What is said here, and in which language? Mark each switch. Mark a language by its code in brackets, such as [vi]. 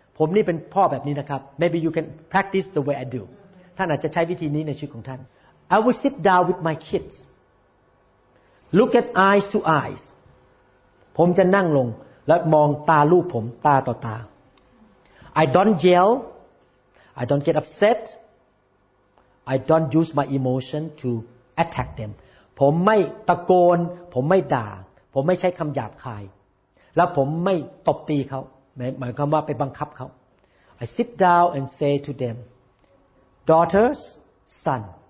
[th] ผมนี่เป็นพ่อแบบนี้นะครับ [en] Maybe you can practice the way I do. [th] ท่านอาจจะใช้วิธีนี้ในชีวิตของท่าน [en] I will sit down with my kids. Look at eyes to eyes. [th] ผมจะนั่งลงและมองตาลูกผมตาต่อตา [en] I don't yell. I don't get upset. I don't use my emotion to attack them. [th] ผมไม่ตะโกนผมไม่ด่าผมไม่ใช้คำหยาบคายและผมไม่ตบตีเขาหมายความว่าไปบังคับเขา [en] I sit down and say to them, daughters, son.